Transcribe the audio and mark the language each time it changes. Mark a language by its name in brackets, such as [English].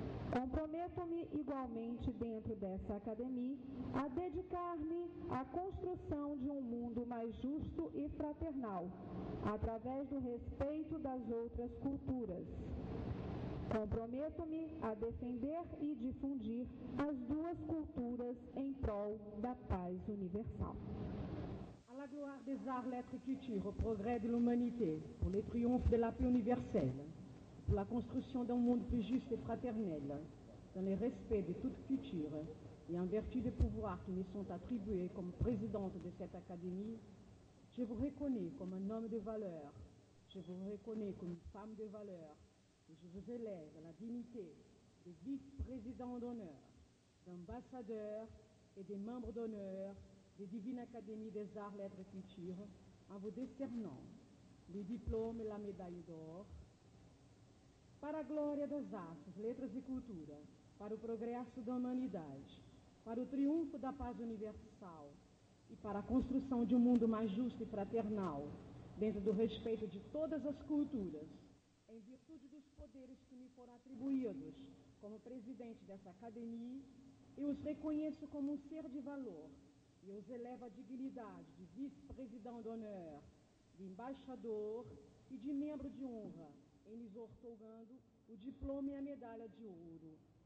[Portuguese] Comprometo-me igualmente dentro dessa academia a dedicar-me à construção de um mundo mais justo e fraternal, através do respeito das outras culturas. Comprometo-me a defender e difundir as duas culturas em prol da paz universal. [French] À la gloire des arts, lettres et cultures, au progrès de l'humanité, pour les triomphes de la paix universelle, pour la construction d'un monde plus juste et fraternel, dans le respect de toute culture et en vertu des pouvoirs qui me sont attribués comme présidente de cette académie, je vous reconnais comme un homme de valeur, je vous reconnais comme une femme de valeur, et je vous élève à la dignité de vice-président d'honneur, d'ambassadeur et des membres d'honneur des Divines Académies des Arts, Lettres et Cultures en vous décernant les diplômes et la médaille d'or, [Portuguese] para a glória das artes, letras e cultura, para o progresso da humanidade, para o triunfo da paz universal e para a construção de um mundo mais justo e fraternal, dentro do respeito de todas as culturas, em virtude dos poderes que me foram atribuídos como presidente dessa academia, eu os reconheço como um ser de valor e os elevo à dignidade de vice-presidente d'honneur, de embaixador e de membro de honra, em lhes outorgando o diploma e a medalha de ouro.